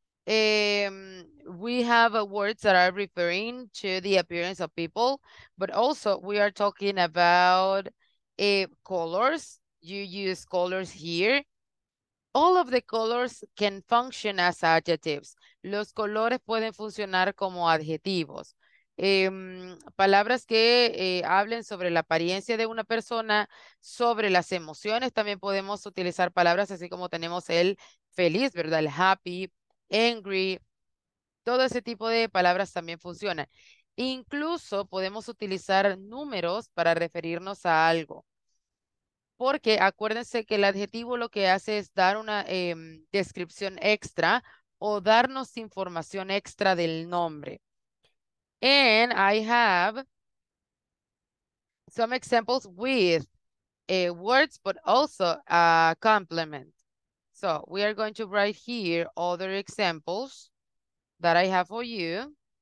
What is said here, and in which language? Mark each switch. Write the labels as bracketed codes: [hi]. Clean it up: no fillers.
[en] We have words that are referring to the appearance of people, but also we are talking about colors. You use colors here. All of the colors can function as adjectives. [es] Los colores pueden funcionar como adjetivos. Palabras que hablen sobre la apariencia de una persona, sobre las emociones, también podemos utilizar palabras así como tenemos el feliz, ¿verdad? El happy, angry, todo ese tipo de palabras también funcionan. Incluso podemos utilizar números para referirnos a algo. Porque acuérdense que el adjetivo lo que hace es dar una descripción extra o darnos información extra del nombre. [en] And I have some examples with words, but also a complement. So we are going to write here other examples that I have for you.